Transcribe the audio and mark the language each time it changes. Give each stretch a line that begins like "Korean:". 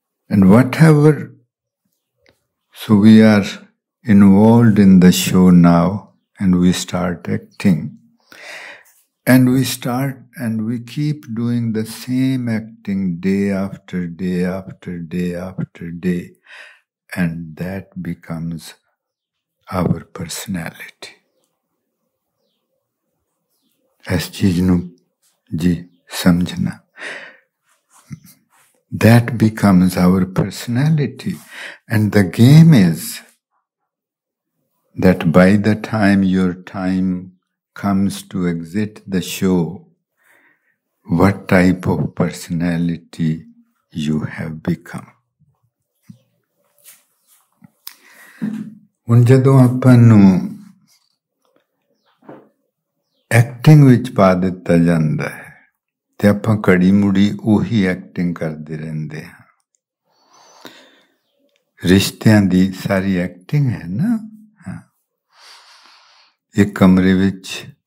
English: And whatever So we are involved in the show now and we start acting and we start and we keep doing the same acting day after day after day after day and that becomes our personality.
Punjabi: ਇਸ ਚੀਜ਼ ਨੂੰ ਜੀ ਸਮਝਣਾ,
English: That becomes our personality and the game is that by the time your time comes to exit the show, what type of personality you have become.
Punjabi: ਹੁਣ ਜਦੋਂ ਆਪਾਂ ਨੂੰ acting ਵਿੱਚ ਪਾ ਦਿੱਤਾ ਜਾਂਦਾ ਹੈ ਤੇ ਆਪਾਂ ਕੜੀ ਮੁੜੀ ਉਹੀ ਐਕਟਿੰਗ ਕਰਦੇ ਰਹਿੰਦੇ ਹਾਂ, ਰਿਸ਼ਤਿਆਂ ਦੀ ਸਾਰੀ ਐਕਟਿੰਗ ਹੈ ਨਾ, ਇੱਕ ਕਮਰੇ ਵਿੱਚ